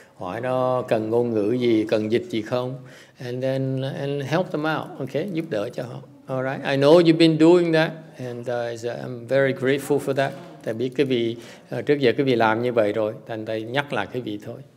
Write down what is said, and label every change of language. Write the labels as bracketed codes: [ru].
[vi] Hỏi nó cần ngôn ngữ gì, cần dịch gì không? [en] And then help them out. Okay, [vi] giúp đỡ cho họ. [en] All right. I know you've been doing that, and I'm very grateful for that. [vi] Tại biết cái vị trước giờ cái vị làm như vậy rồi, thành đây nhắc lại cái vị thôi.